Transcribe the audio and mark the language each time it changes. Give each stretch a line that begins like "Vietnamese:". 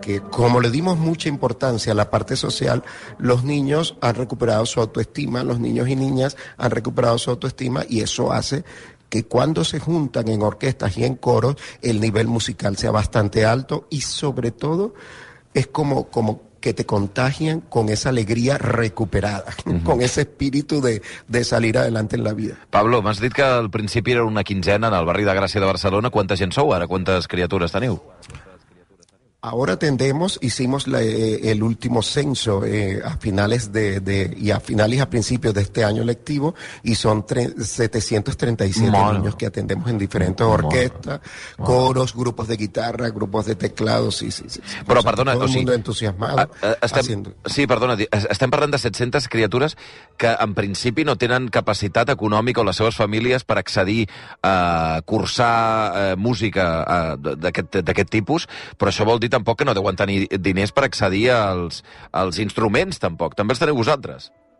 Spanish: Que como le dimos mucha importancia a la parte social, los niños han recuperado su autoestima, los niños y niñas han recuperado su autoestima, y eso hace que cuando se juntan en orquestas y en coros, el nivel musical sea bastante alto, y sobre todo es como que te contagian con esa alegría recuperada, uh-huh, con ese espíritu de salir adelante en la vida.
Catalan: Pablo, m'has dit que al principi era una quinzena en el barri de Gràcia de Barcelona. Quanta gent sou ara? Quantes criatures teniu?
Spanish: Ahora tendemos, hicimos el último censo a finales a principios de este año lectivo, y son 737 Mano. Niños que atendemos en diferentes orquestas, coros, grupos de guitarra, grupos de teclados, sí.
Catalan: Però, perdona,
Spanish: todo el mundo entusiasmado.
Catalan: Estem parlant de 700 criatures que en principi no tenen capacitat econòmica o les seves famílies per accedir a cursar música d'aquest tipus, però això vol dir tampoc que no deuen tenir diners per accedir als instruments, tampoc. També els teniu vosaltres.